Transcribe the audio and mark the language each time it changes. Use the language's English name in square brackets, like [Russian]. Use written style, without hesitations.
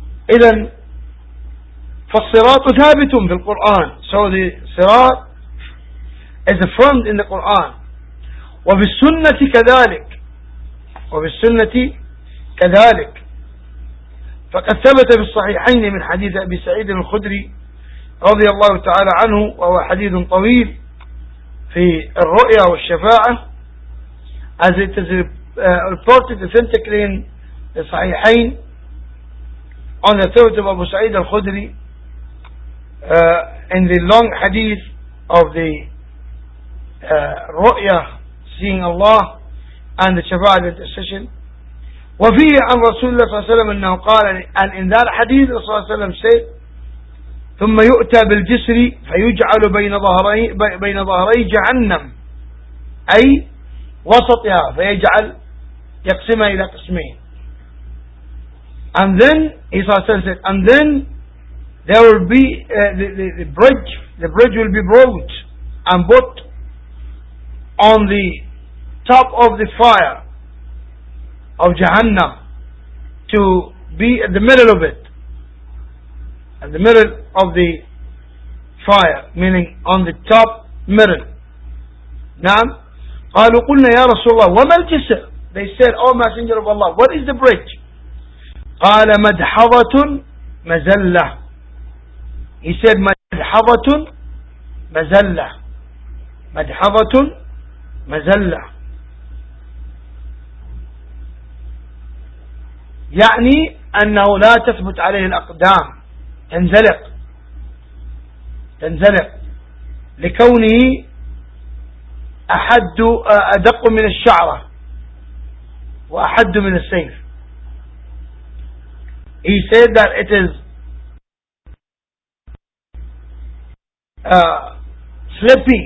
[Arabic] إذن فالصراط ثابت في القرآن. [English] So the صراط is a firm in the Quran. [Arabic] وفي السنة كذلك. وفي السنة كذلك. فقد ثبت في الصحيحين من حديث أبي سعيد الخدري رضي الله تعالى عنه, وهو حديث طويل في الرؤيا والشفاعة, [English] as it is reported authentically in the صحيحين on the throat of Abu Sa'id al-Khudri, in the long hadith of the ru'ya, seeing Allah, and the shafa'at intercession. [Arabic] وفيه عن رسول الله صلى الله عليه وسلم أنه قال, [English] and in that hadith صلى الله عليه وسلم said, [Arabic] ثم يؤتى بالجسر فيجعل بين ظهري جهنم, أي وسطها, فيجعل يقسمها إلى قسمين. [English] And then Isa said, and then there will be the bridge will be brought and put on the top of the fire of Jahannam to be at the middle of it, at the middle of the fire, meaning on the top middle. Naam. [Arabic] قالوا قلنا يا رسول الله وما الجسر, [English] they said, oh messenger of Allah, what is the bridge? [Arabic] قال مدحضة مزلة. [English] He said [Arabic] مدحضة مزلة. مدحضة مزلة يعني أنه لا تثبت عليه الأقدام, تنزلق لكونه أدق من الشعرة وأحد من السيف. [English] He said that it is slippy.